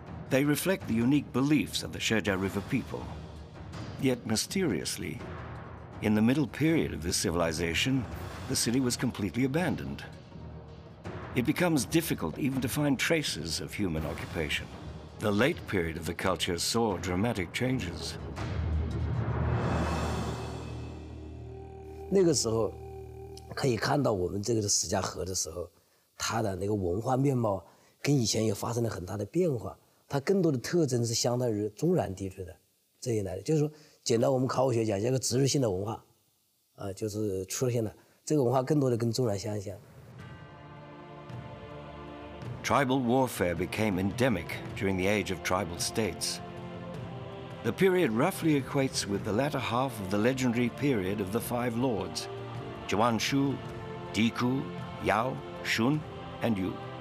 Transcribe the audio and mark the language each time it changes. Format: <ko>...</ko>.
<en>They reflect the unique beliefs of the Sherja River people. Yet mysteriously, in the middle period of this civilization,The city was completely abandoned. It becomes difficult even to find traces of human occupation. The late period of the culture saw dramatic changes.</en> <zh>那个时候，可以看到我们这个石家河的时候，它的那个文化面貌跟以前也发生了很大的变化。它更多的特征是相当于中原地区的这一类的，就是说，简单我们考古学讲，叫个植入性的文化，啊，就是出现了。这个文化更多的跟中原相像。</zh> <en>Tribal warfare became endemic during the age of tribal states. The period roughly equates with the latter half of the legendary period of the five lords, Juan Shu, Diku, Yao, Shun, and Yu.</en>